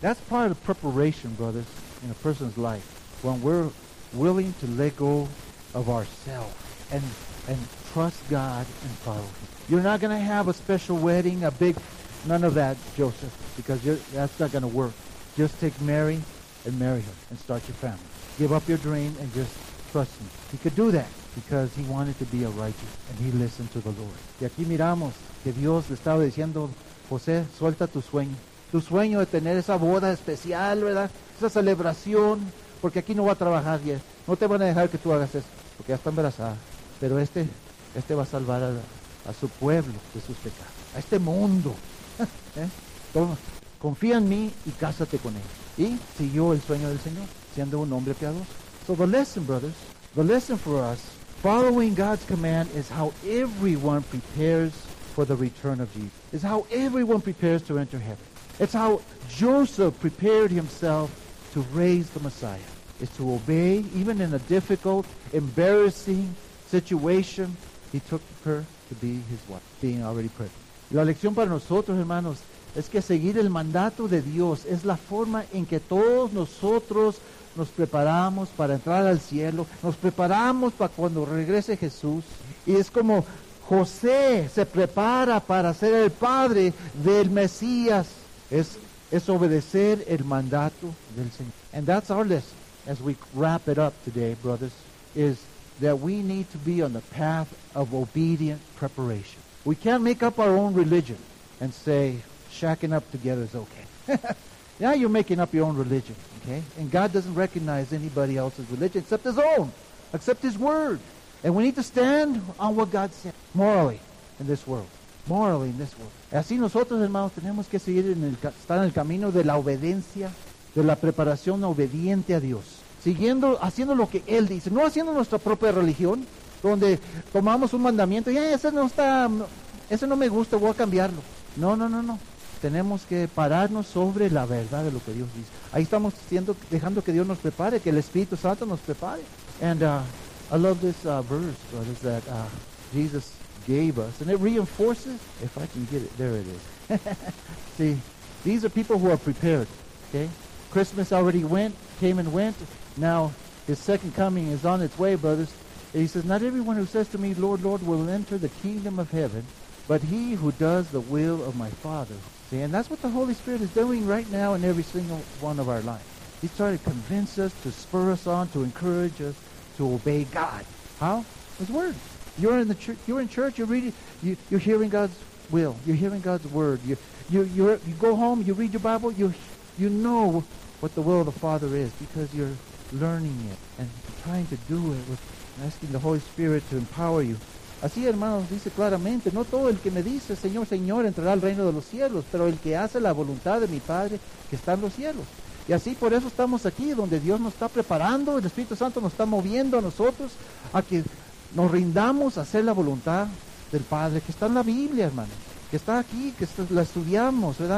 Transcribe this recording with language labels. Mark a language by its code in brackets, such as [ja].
[en] That's part of the preparation, brothers, in a person's life, when we're willing to let go of ourselves and trust God and follow Him. You're not going to have a special wedding, a big, none of that, Joseph, because that's not going to work. Just take Mary and marry her and start your family. Give up your dream and just trust me. He could do that because he wanted to be a righteous and he listened to the Lord. [es] Y aquí miramos que Dios le estaba diciendo, José, suelta tu sueño. Tu sueño de tener esa boda especial, ¿verdad? Esa celebración, porque aquí no va a trabajar bien. No te van a dejar que tú hagas eso, porque ya está embarazada. Pero este va a salvar a su pueblo de sus pecados, a este mundo. Toma, confía en mí y cásate con él. Y siguió el sueño del Señor, siendo un hombre piadoso. [en] So the lesson, brothers, the lesson for us, following God's command is how everyone prepares for the return of Jesus. It's how everyone prepares to enter heaven. It's how Joseph prepared himself to raise the Messiah. It's to obey, even in a difficult, embarrassing situation, he took her to be his wife, being already pregnant. [es] La lección para nosotros, hermanos, es que seguir el mandato de Dios es la forma en que todos nosotros nos preparamos para entrar al cielo, nos preparamos para cuando regrese Jesús. Y es como José se prepara para ser el padre del Mesías. Es obedecer el mandato del Señor. [en] And that's our lesson as we wrap it up today, brothers, is that we need to be on the path of obedient preparation. We can't make up our own religion and say shacking up together is okay. Yeah, you're making up your own religion, okay? And God doesn't recognize anybody else's religion except his own, except his word. And we need to stand on what God said morally in this world. Morally in this world. [es] Así nosotros, hermanos, tenemos que seguir en el, estar en el camino de la obediencia, de la preparación obediente a Dios. Siguiendo, haciendo lo que Él dice. No haciendo nuestra propia religión, donde tomamos un mandamiento y ese no me gusta, voy a cambiarlo. No. Tenemos que pararnos sobre la verdad de lo que Dios dice. Ahí estamos siendo, dejando que Dios nos prepare, que el Espíritu Santo nos prepare. [en] And I love this verse, brothers, that Jesus gave us. And it reinforces, if I can get it, there it is. See, these are people who are prepared, okay? Christmas already went, came and went. Now, his second coming is on its way, brothers. And he says, not everyone who says to me, Lord, Lord, will enter the kingdom of heaven, but he who does the will of my Father. See, and that's what the Holy Spirit is doing right now in every single one of our lives. He's trying to convince us, to spur us on, to encourage us to obey God. How? His word. You're in church, you're reading, you're hearing God's will, you're hearing God's word. You go home, you read your Bible, you know what the will of the Father is because you're learning it and trying to do it with asking the Holy Spirit to empower you. [es] Así, hermanos, dice claramente, no todo el que me dice, Señor, Señor, entrará al reino de los cielos, pero el que hace la voluntad de mi Padre que está en los cielos. Y así, por eso estamos aquí, donde Dios nos está preparando, el Espíritu Santo nos está moviendo a nosotros a que nos rindamos a hacer la voluntad del Padre, que está en la Biblia, hermano, que está aquí, que está, la estudiamos, ¿verdad?